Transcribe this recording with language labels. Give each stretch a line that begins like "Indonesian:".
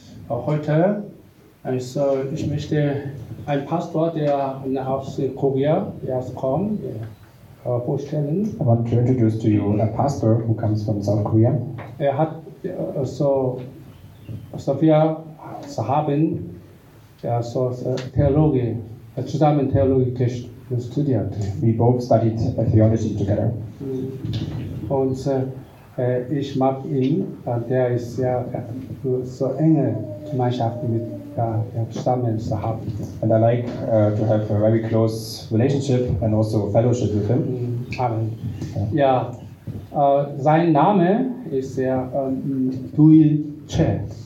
German: Auch heute, also ich möchte einen Pastor, der aus Korea erst kommt, vorstellen.
English: I want to introduce to you a pastor who comes from South Korea.
German: Er hat, also wir haben, also Theologie, zusammen Theologie studiert.
English: We both studied theology together.
German: Und ich mag ihn, der ist sehr so enge Gemeinschaft mit zusammen zu haben.
English: And I like to have a very close relationship and also fellowship with him. Amen.
German: Ja, sein Name ist der Duil Che.